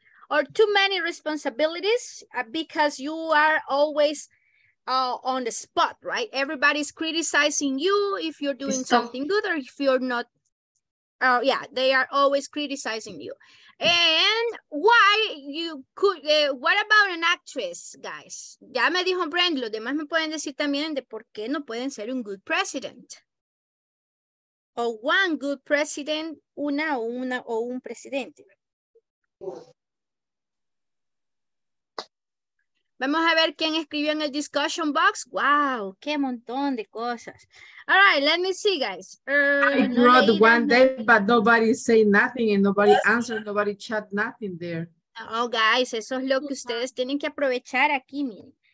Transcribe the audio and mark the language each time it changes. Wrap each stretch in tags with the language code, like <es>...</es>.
<en>Or too many responsibilities because you are always on the spot, right? Everybody's criticizing you if you're doing something good or if you're not. Yeah, they are always criticizing you. And why you could, what about an actress, guys?</en> <es>Ya me dijo Brent, los demás me pueden decir también de por qué no pueden ser un</es> <en>good president.</en> <es>O</es> <en>one good president,</en> <es>una o un presidente. Vamos a ver quién escribió en el discussion box.</es> <en>Wow,</en> <es>qué montón de cosas.</es> <en>All right, let me see, guys. I wrote no one day, but nobody say nothing and nobody answer, nobody chat nothing there.</en> <es>Oh, guys, eso es lo que ustedes tienen que aprovechar aquí, miren.</es>